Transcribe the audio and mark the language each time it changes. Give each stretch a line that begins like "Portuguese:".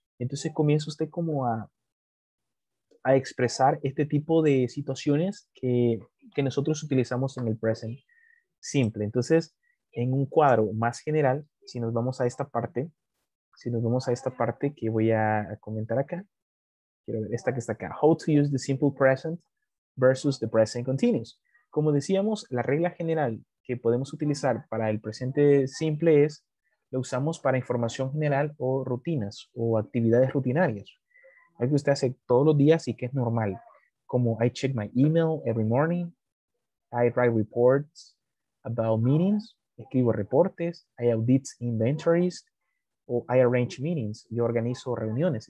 Spanish: Entonces comienza usted como a expresar este tipo de situaciones que nosotros utilizamos en el present simple. Entonces, en un cuadro más general, si nos vamos a esta parte, si nos vamos a esta parte que voy a comentar acá, quiero ver esta que está acá.
English: How to use the simple present versus the present continuous.
Spanish: Como decíamos, la regla general que podemos utilizar para el presente simple es, lo usamos para información general o rutinas o actividades rutinarias. algo que usted hace todos los días y que es normal, como
English: I check my email every morning, I write reports about meetings,
Spanish: escribo reportes,
English: I audit inventories,
Spanish: o
English: I arrange meetings,
Spanish: yo organizo reuniones.